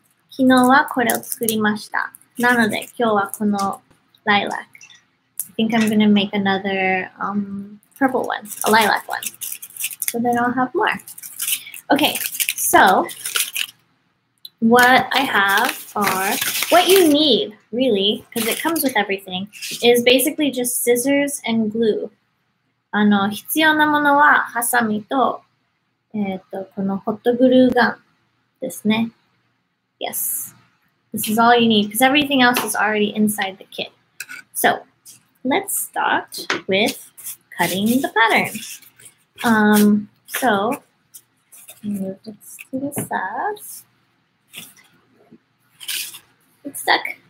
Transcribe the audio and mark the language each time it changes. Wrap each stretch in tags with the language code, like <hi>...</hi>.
<ja>昨日はこれを作りました。なので今日はこのライラック。</ja> <en>I think I'm gonna make another purple one, a lilac one. So then I'll have more. Okay, So, what I have are, what you need, really, because it comes with everything, is basically just scissors and glue.</en> <ja>必要なものはハサミと、このホットグルーガンですね。</ja> <en>Yes. This is all you need, because everything else is already inside the kit. So, let's start with cutting the pattern. So, move it to the side. It's stuck.</en>